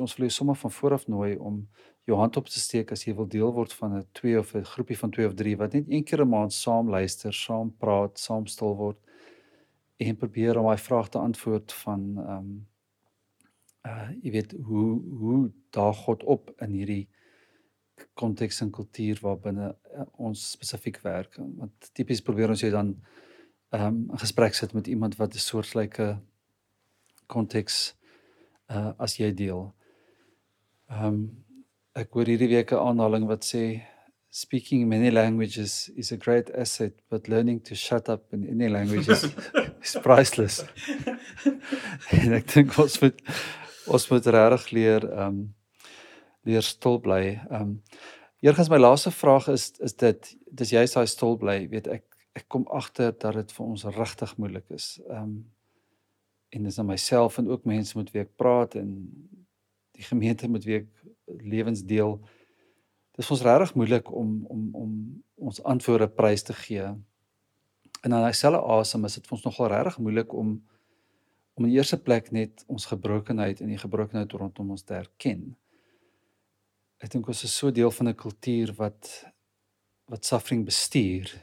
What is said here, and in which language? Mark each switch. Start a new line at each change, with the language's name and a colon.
Afrikaans: Ons wil jou sommer van vooraf nooi om jou hand op te steek as jy wil deel word van 'n 2 of 'n groepie van 2 of 3 wat net een keer 'n maand saam luister, saam praat, saam stil word en probeer om daai vraag te antwoord van jy weet, hoe daag God op in hierdie konteks en kultuur waarbinne ons spesifiek werk. Want typies probeer ons jou dan in gesprek sit met iemand wat 'n soortgelyke konteks as jy deel. Ek hoor hierdie week 'n aanhaling wat sê
English: speaking many languages is a great asset, but learning to shut up in any language is priceless.
Afrikaans: En ek dink ons moet regtig leer stil bly. Eergens my laaste vraag is dis jy sal stil bly. Weet ek kom agter dat dit vir ons regtig moeilik is. En dis aan myself en ook mense met wie ek praat en die gemeente met wie ek lewens deel. Dis vir ons regtig moeilik om ons antwoorde prys te gee. En aan dieselfde asem is dit vir ons nogal regtig moeilik om in die eerste plek net ons gebrokenheid en die gebrokenheid rondom ons te erken. Ek dink ons is so deel van 'n kultuur wat suffering bestuur.